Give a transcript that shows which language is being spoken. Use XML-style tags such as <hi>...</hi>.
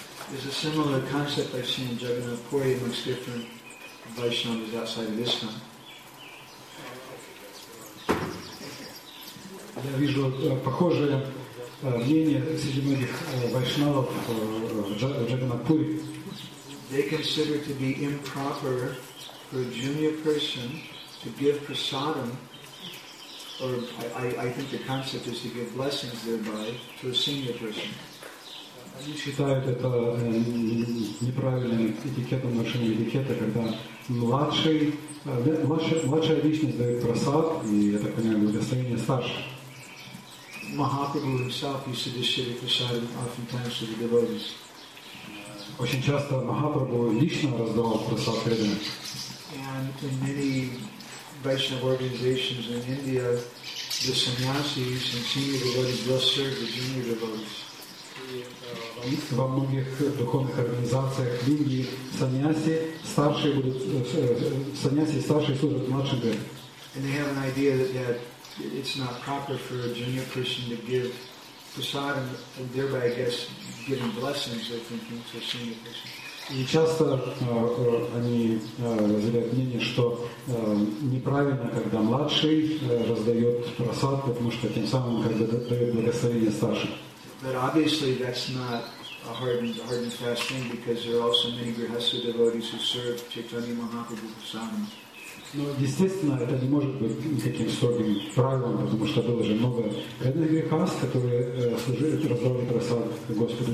<en>There's a similar concept I've seen in Jagannath Puri amongst different Vaishnavas outside of Islam.</en> <ru>Я вижу похожее мнение среди многих Вайшнавов в Джаганнат Пури.</ru> <en>They consider it to be improper for a junior person to give prasadam, or I think the concept is to give blessings thereby to a senior person.</en> <ru>Они считают это неправильным этикетом, нарушением этикета, когда младшая личность дает прасад, и я так понимаю, благословение старше.</ru> <en>Mahaprabhu himself used to distribute prasadam oftentimes to the devotees.</en> <ru>Очень часто Махапрабху лично раздавал прасад преданным.</ru> <en>And in many Vaishnava organizations in India, the sannyasis and senior devotees will serve the junior devotees.</en> <ru>Во многих духовных организациях в Индии старшие служат младшим преданным.</ru> <en>And they have an idea that it's not proper for a junior person to give prasadam, and thereby, I guess, giving blessings, I think, to a senior person.</en> <ru>И часто они разделяют мнение, что неправильно, когда младший раздает прасад, потому что тем самым как бы дает благословение старшим.</ru> <en>But obviously that's not a hard and fast thing, because there are also many grihastha devotees who serve Chaitanya Mahaprabhu prasadam.</en> <ru>Но, естественно, это не может быть никаким строгим правилом, потому что было же много преданных грехас, которые служили, раздавали прасад Господу</ru>